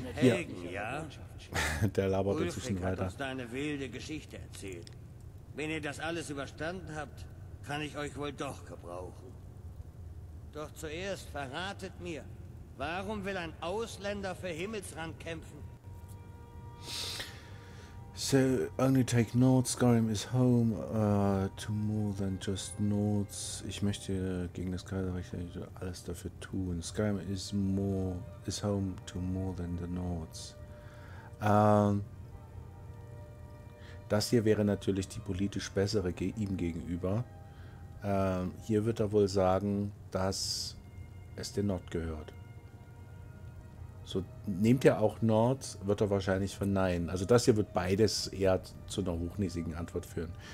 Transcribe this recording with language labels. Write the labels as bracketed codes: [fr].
[de] Der labert inzwischen weiter. Ulfric hat uns deine wilde Geschichte erzählt. Wenn ihr das alles überstanden habt, kann ich euch wohl doch gebrauchen. Doch zuerst verratet mir, warum will ein Ausländer für Himmelsrand kämpfen? [en] So, only take Nords. Skyrim is home to more than just Nords. [de] Ich möchte gegen das Kaiserreich alles dafür tun. [en] Skyrim is home to more than the Nords. [de] Das hier wäre natürlich die politisch bessere ihm gegenüber. Hier wird er wohl sagen, dass es den Nord gehört. So, nehmt ihr auch Nord, wird er wahrscheinlich verneinen. Also das hier wird beides eher zu einer hochnäsigen Antwort führen.